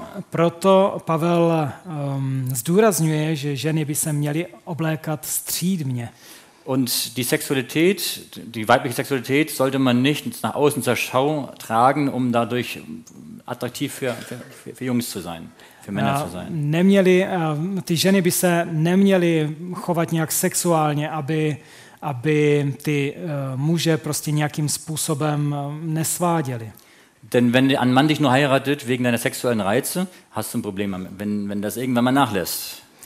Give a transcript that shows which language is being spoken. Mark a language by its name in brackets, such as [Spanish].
[Czech] Proto Pavel zdůrazňuje, že ženy by se měly oblékat střídmě. [German] Und die Sexualität, die weibliche Sexualität, sollte man nicht nach außen zur Schau tragen, um dadurch attraktiv für Jungs zu sein, für Männer zu sein. [Czech] Ty ženy by se neměly chovat nějak sexuálně, aby ty muže prostě nějakým způsobem nesváděly. [German] Denn wenn ein Mann dich nur heiratet wegen deiner sexuellen Reize, hast du ein Problem, wenn das irgendwann mal nachlässt.